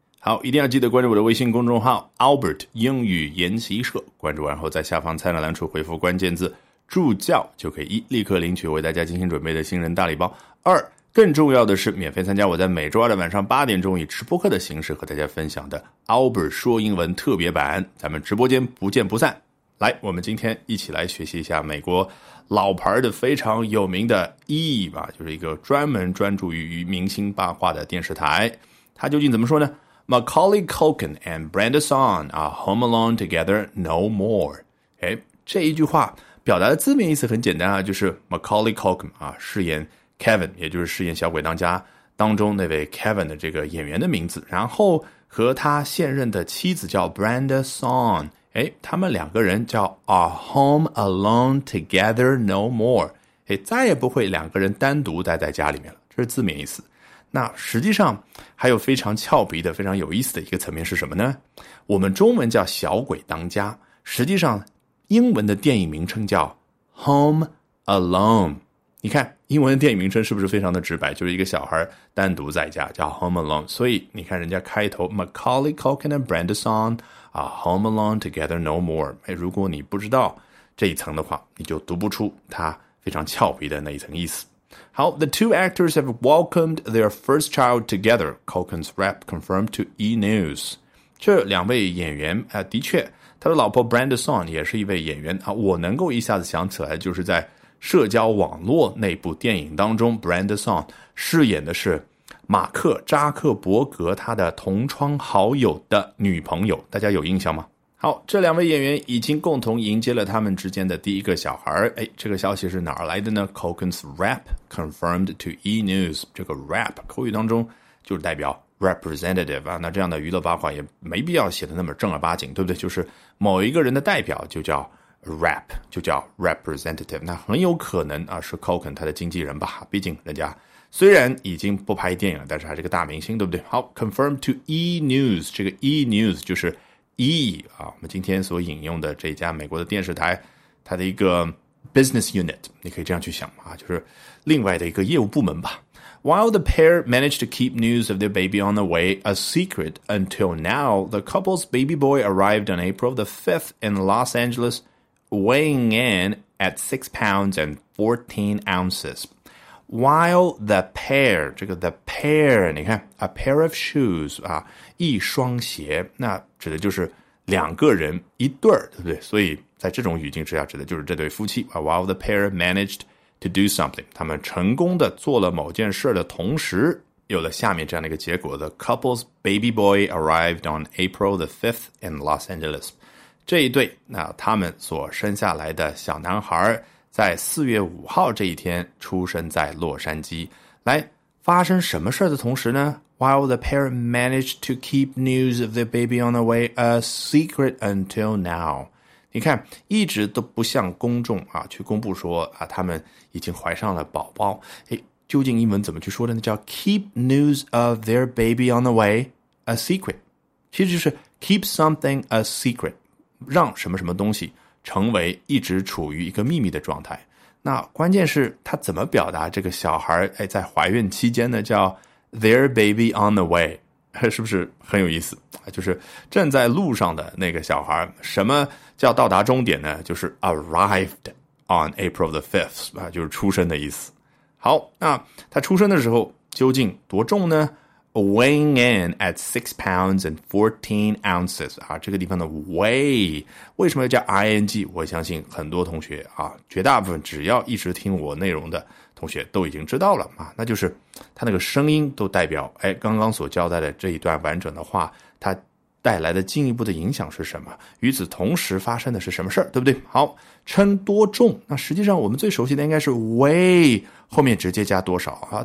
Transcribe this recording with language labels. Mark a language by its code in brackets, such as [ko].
[zh] 好，一定要记得关注我的微信公众号 Albert 英语研习社，关注完后在下方菜单栏处回复关键字助教，就可以一立刻领取为大家精心准备的新人大礼包，二更重要的是免费参加我在每周二的晚上8点以直播课的形式和大家分享的 Albert 说英文特别版，咱们直播间不见不散。来，我们今天一起来学习一下美国老牌的非常有名的 E 吧，就是一个专门专注于明星八卦的电视台，它究竟怎么说呢？ [en] Macaulay Culkin and Brenda Song are home alone together no more. [zh] 诶，这一句话表达的字面意思很简单啊，就是 Macaulay Culkin 啊，饰演 Kevin， 也就是饰演小鬼当家当中那位 Kevin 的这个演员的名字，然后和他现任的妻子叫 Brenda Song， 诶，他们两个人叫 [en] are home alone together no more， [zh] 诶，再也不会两个人单独待在家里面了，这是字面意思。那实际上还有非常俏皮的非常有意思的一个层面是什么呢？我们中文叫小鬼当家，实际上英文的电影名称叫 Home Alone。你看英文的电影名称是不是非常的直白，就是一个小孩单独在家叫 Home Alone， 所以你看人家开头 [en] Macaulay Culkin and Brenda Song are home alone together no more、 [zh] 哎、如果你不知道这一层的话，你就读不出它非常俏皮的那一层意思。 [en] 好， the two actors have welcomed their first child together, Culkin's rep confirmed to E! News. [zh] 这两位演员啊，的确，他的老婆 Brenda Song 也是一位演员啊。我能够一下子想起来，就是在社交网络那部电影当中 ，Brenda Song 饰演的是马克·扎克伯格他的同窗好友的女朋友，大家有印象吗？好，这两位演员已经共同迎接了他们之间的第一个小孩。哎，这个消息是哪儿来的呢 ？ [en] Cohen's rap confirmed to E News。 [zh] 这个 rap 口语当中就是代表 representative 啊，那这样的娱乐八卦也没必要写的那么正儿八经，对不对？就是某一个人的代表就叫 rap， 就叫 representative。那很有可能啊是 Cohen 他的经纪人吧，毕竟人家虽然已经不拍电影了，但是还是个大明星，对不对？ [en] 好 ，confirmed to E News， [zh] 这个 E News 就是。我们今天所引用的这家美国的电视台，它的一个 business unit， 你可以这样去想啊，就是另外的一个业务部门吧。 [en] While the pair managed to keep news of their baby on the way a secret until now, the couple's baby boy arrived on April the 5th in Los Angeles, weighing in at 6 pounds and 14 ounces. While the pair, [zh] 这个 the pair, 你看 [en] a pair of shoes, [zh] 啊，一双鞋，那指的就是两个人一对儿，对不对？所以在这种语境之下，指的就是这对夫妻。 [en] While the pair managed to do something， [zh] 他们成功的做了某件事的同时，有了下面这样的一个结果。 [en] The couple's baby boy arrived on April the 5th in Los Angeles。 [zh] 这一对，那他们所生下来的小男孩，在4月5号这一天出生在洛杉矶。来，发生什么事的同时呢？ [en] While the pair managed to keep news of their baby on the way a secret until now. [zh] 你看，一直都不向公众啊去公布说啊他们已经怀上了宝宝。诶，究竟英文怎么去说的呢？ [en] 叫 keep news of their baby on the way a secret. 其实就是 keep something a secret. [zh] 让什么什么东西成为一直处于一个秘密的状态。那关键是他怎么表达这个小孩诶在怀孕期间呢，叫 [en] Their baby on the way， [zh] 是不是很有意思？就是正在路上的那个小孩，什么叫到达终点呢？就是 [en] arrived on April the 5th， [zh] 就是出生的意思。好，那他出生的时候究竟多重呢？ [en] Weighing in at 6 pounds and 14 ounces， 啊， [zh] 这个地方的 weigh， 为什么要叫 ing？我相信很多同学啊，绝大部分只要一直听我内容的同学都已经知道了嘛，那就是他那个声音都代表，哎，刚刚所交代的这一段完整的话，他带来的进一步的影响是什么？与此同时发生的是什么事，对不对？好，称多重，那实际上我们最熟悉的应该是 weigh 后面直接加多少啊？